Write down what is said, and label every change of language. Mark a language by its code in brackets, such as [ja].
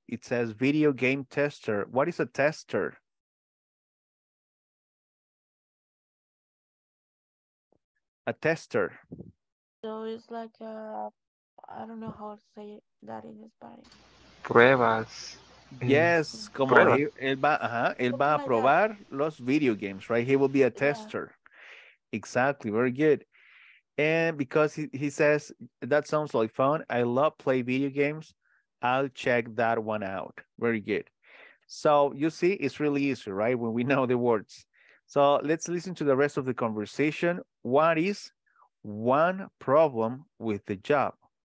[en] It says video game tester. What is a tester? A tester. So it's like I don't know how to say that in Spanish. [es] Pruebas. [en] Yes, [es] como pruebas. Él va a probar los video games, [en] right? He will be a tester. Exactly, very good. And because he says, that sounds like fun, I love play video games, I'll check that one out. Very good. So you see, it's really easy, right? When we know the words. So let's listen to the rest of the conversation. What is one problem with the job?